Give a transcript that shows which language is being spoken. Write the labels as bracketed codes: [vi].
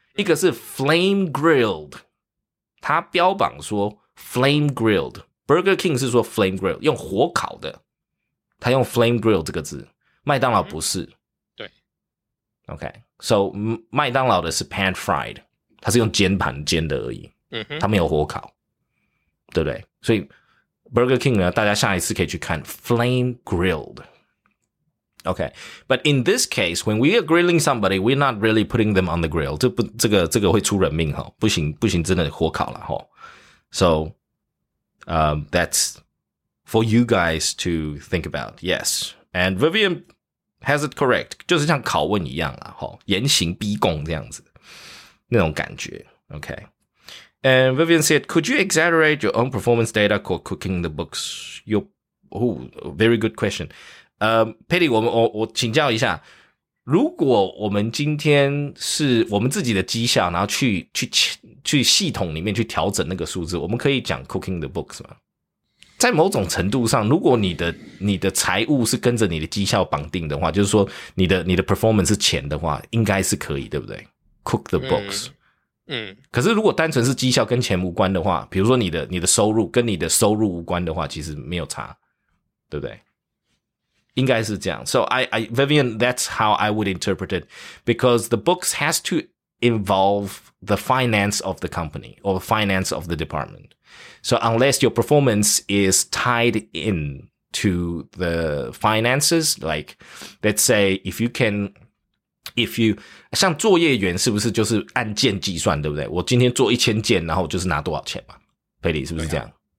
[zh] 一个是 flame grilled, 它标榜说 flame grilled, Burger King 是说 flame grilled, 用火烤的，它用 flame grilled 这个字，麦当劳不是。对。 OK, so 麦当劳的是 pan fried, 它是用煎盘煎的而已，它没有火烤，对不对？所以 Burger King 呢，大家下一次可以去看 flame grilled, [en] Okay, but in this case, when we are grilling somebody, we're not really putting them on the grill. [zh] 这个会出人命哈，不行不行，真的火烤了哈。 [en] So, that's for you guys to think about. Yes, and Vivian has it correct. [zh] 就是像拷问一样啦，哈，严刑逼供这样子，那种感觉。 [en] Okay, and Vivian said, could you exaggerate your own performance data for cooking the books? Very good question. [zh] Patty, 我请教一下，如果我们今天是我们自己的绩效，然后去系统里面去调整那个数字，我们可以讲 cooking the books 吗？在某种程度上，如果你的财务是跟着你的绩效绑定的话，就是说你的 performance 是钱的话，应该是可以，对不对 ？Cook the books。可是如果单纯是绩效跟钱无关的话，比如说你的收入跟你的收入无关的话，其实没有差，对不对？应该是这样。 [en] So Vivian, that's how I would interpret it. Because the books has to involve the finance of the company or finance of the department. So unless your performance is tied in to the finances, like let's say if you, [zh] 像作业员是不是就是按件计算，对不对？我今天做一千件，然后就是拿多少钱嘛？佩里是不是这样？